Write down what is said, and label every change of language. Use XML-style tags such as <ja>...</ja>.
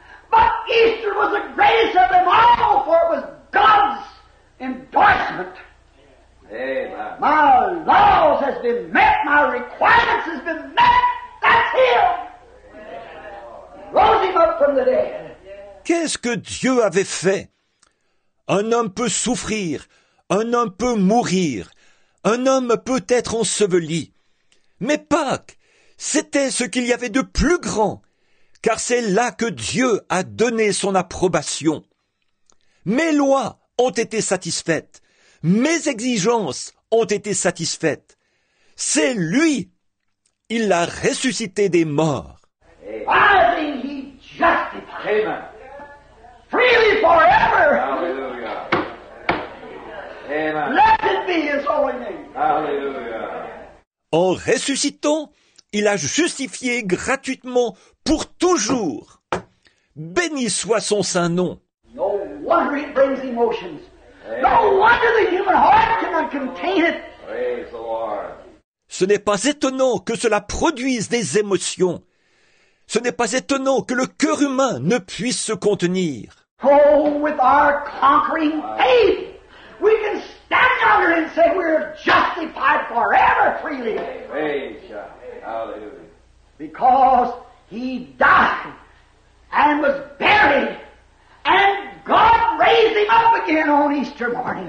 <en>But Easter was the greatest of them all, for it was God's endorsement. Amen. My laws has been met, my requirements has been met, that's Him. Rose Him up from the dead.</en> <fr>Qu'est-ce que Dieu avait fait? Un homme peut souffrir, un homme peut mourir, un homme peut être enseveli. Mais Pâques, c'était ce qu'il y avait de plus grand. Car c'est là que Dieu a donné son approbation. Mes lois ont été satisfaites. Mes exigences ont été satisfaites. C'est lui. Il l'a ressuscité des morts.</fr> <en>Rising, he justified. Freely forever. Hallelujah. Let it be his holy name. Hallelujah.</en> <fr>En ressuscitant, il a justifié gratuitement pour toujours. Béni soit son saint nom.</fr> <en>No wonder it brings emotions. No wonder the human heart cannot contain it. Praise the Lord.</en> <fr>Ce n'est pas étonnant que cela produise des émotions. Ce n'est pas étonnant que le cœur humain ne puisse se contenir.</fr> <en>Oh, with our conquering faith, we can stand yonder and say we are justified forever freely. Praise God. Hallelujah. Because He died and was buried, and God raised him up again on Easter morning.</en>